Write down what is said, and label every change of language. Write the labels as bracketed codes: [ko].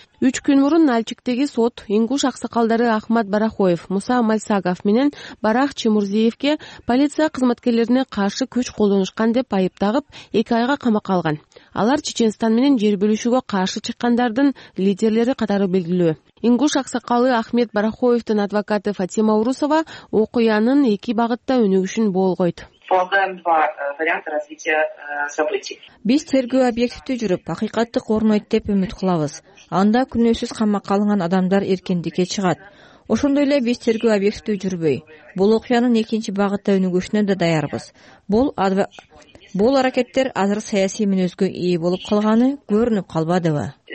[ky] 3 күн мурун Нальчиктеги сот ингуш аксакалдары Ахмат Барахоев, Муса Мальсагов менен Барах Чымурзиевке полиция кызматкерлерине каршы күч колдонушкан деп айып тагып, 2 айга камакка алган. Алар Чечестан менен жер бөлүшүүгө каршы чыккандардын лидерлери катары белгилүү. Ингуш аксакалы Ахмет Барахоевдин адвокаты Фатима Урусова окуянын 2 багытта өнүгүшүн болгойт. [ru] Полагаем два варианта развития событий. [ky] Биз тергөө объектте жүрүп, акыйкатты корнойт деп үмүт кылабыз. Анда күнөөсүз камакка алынган адамдар эркиндикке чыгат. Ошондой эле биз тергөө объектте жүрбөй. Бул окуянын экинчи багытта өнүгүшүнө да даярбыз. Бул аракеттер азыр саясий мүнөзгө ээ болуп калганы көрүнүп калбадыбы?